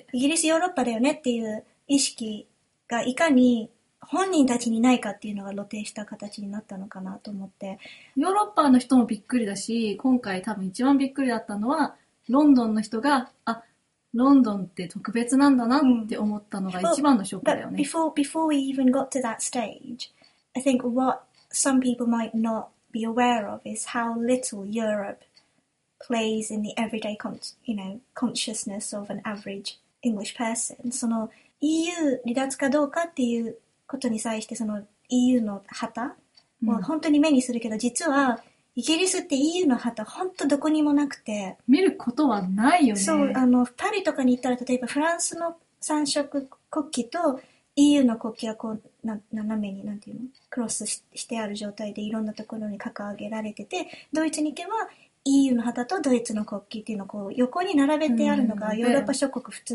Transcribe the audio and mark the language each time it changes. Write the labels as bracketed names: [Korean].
[Japanese] まあ、イギリスヨーロッパだよねっていう意識がいかに本人たちにないかっていうのが露呈した形になったのかなと思って、ヨーロッパの人もびっくりだし、今回多分一番びっくりだったのはロンドンの人が、あ、ロンドンって特別なんだなって思ったのが一番のショックだよね、 [English] うん、before we even got to that stage I think what some people might not be aware of is how little Europeeplays in the everyday consciousness of an average English person. [Japanese] その EU 離脱かどうかっていうことに際して、その EU の旗を本当に目にするけど、うん、実はイギリスって EU の旗本当どこにもなくて、見ることはないよね。そう、パリとかに行ったら、例えばフランスの三色国旗と EU の国旗はこう斜めになんていうのクロスしてある状態でいろんなところに掲げられてて、ドイツに行けばEU の旗とドイツの国旗っていうのをこう横に並べてあるのがヨーロッパ諸国普通、